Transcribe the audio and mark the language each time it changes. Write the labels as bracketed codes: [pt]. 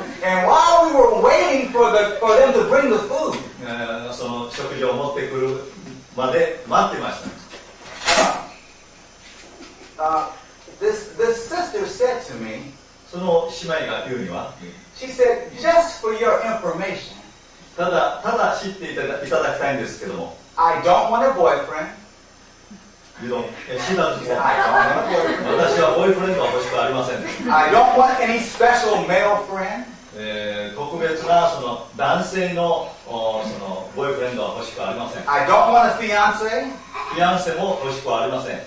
[en] And while we were waiting for them to bring the food, [ja] その食事を持ってくるまで待ってました。 [en] This sister said to me, [ja] その姉妹が言うには、 [en] she said, just for your information, [ja] ただ知っていただきたいんですけども、 [en] I don't want a boyfriend. You don't. She doesn't want. [ja] 私私はボーイフレンドは欲しくありません。 [en] I don't want any special male friend. [ja] 特別なその男性のそのボーイフレンドは欲しくありません。 [en] I don't want a fiance. [ja] フィアンセも欲しくありません。